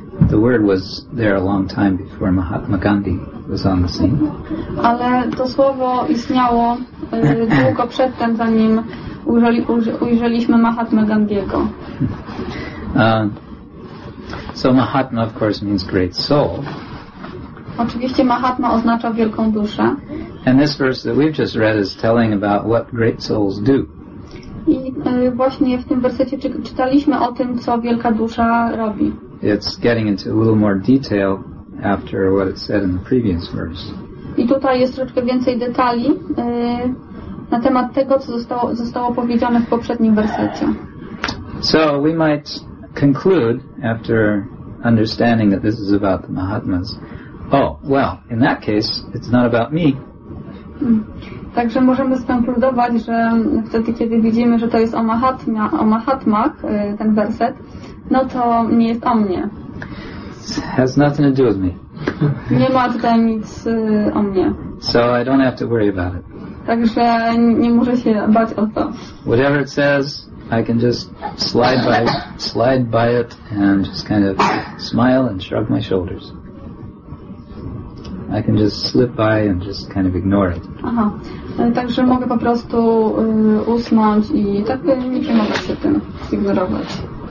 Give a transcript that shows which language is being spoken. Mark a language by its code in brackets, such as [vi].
[en] The word was there a long time before Mahatma Gandhi was on the scene. [pl] Ale to słowo istniało długo przedtem, zanim ujrzeliśmy Mahatmę Gandhiego. [en] So Mahatma, of course, means great soul. [pl] Oczywiście Mahatma oznacza wielką duszę. [en] And this verse that we've just read is telling about what great souls do. [pl] I właśnie w tym wersecie czytaliśmy o tym, co wielka dusza robi. [en] It's getting into a little more detail after what it said in the previous verse. [pl] I tutaj jest troszkę więcej detali na temat tego, co zostało powiedziane w poprzednim wersecie. [en] So we might conclude after understanding that this is about the Mahatmas. Oh, well, in that case, it's not about me. [pl] Także możemy skonkludować, że wtedy, kiedy widzimy, że to jest o Mahatmach, ten werset, no to nie jest o mnie. [en] Has nothing to do with me. [pl] Nie ma tutaj nic o mnie. [en] So I don't have to worry about it. [pl] Także nie muszę się bać o to. [en] Whatever it says, I can just slide by it and just kind of smile and shrug my shoulders. I can just slip by and just kind of ignore it. Aha. [pl] Także mogę po prostu usnąć i tak nie przejmować się tym, ignorować.